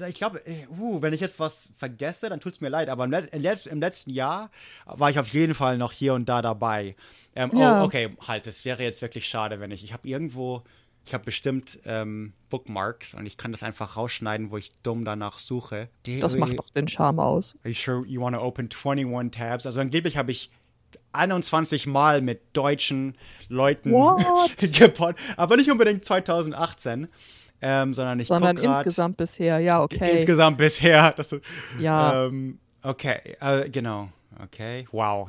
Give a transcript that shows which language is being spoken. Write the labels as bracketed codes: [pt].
[de] Ich glaube, wenn ich jetzt was vergesse, dann tut es mir leid, aber im letzten Jahr war ich auf jeden Fall noch hier und da dabei. Ja. Oh, okay, halt, es wäre jetzt wirklich schade, wenn ich. Ich habe bestimmt Bookmarks und ich kann das einfach rausschneiden, wo ich dumm danach suche. Das macht doch den Charme aus. [en] Are you sure you want to open 21 Tabs? [de] Also angeblich habe ich 21 Mal mit deutschen Leuten gepodcastet, aber nicht unbedingt 2018. Sondern insgesamt bisher, ja, okay. Insgesamt bisher. Das ist, ja. Genau. Okay. Wow.